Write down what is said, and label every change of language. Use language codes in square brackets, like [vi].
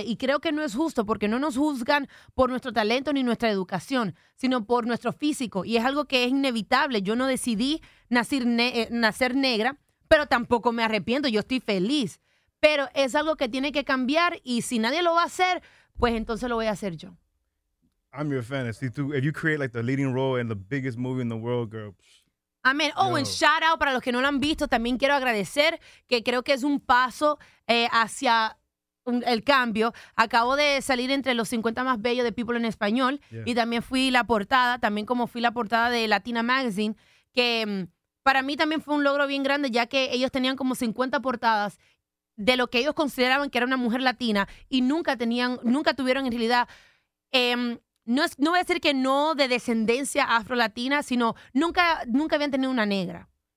[es] Y creo que no es justo, porque no nos juzgan por nuestro talento ni nuestra educación, sino por nuestro físico. Y es algo que es inevitable. Yo no decidí nacer negra, pero tampoco me arrepiento. Yo estoy feliz. Pero es algo que tiene que cambiar, y si nadie lo va a hacer, pues entonces lo voy a hacer yo. [en] I'm your fan. If you create like the leading role in the biggest movie in the world, girl. [es] Amén. [en] Oh, and shout out [es] para los que no lo han visto. También quiero agradecer, que creo que es un paso hacia el cambio. Acabo de salir entre los 50 más bellos de People en Español. Yeah. Y también fui la portada, también como fui la portada de Latina Magazine, que para mí también fue un logro bien grande, ya que ellos tenían como 50 portadas de lo que ellos consideraban que era una mujer latina, y nunca tuvieron en realidad, no voy a decir que no de descendencia afro-latina, sino nunca habían tenido una negra.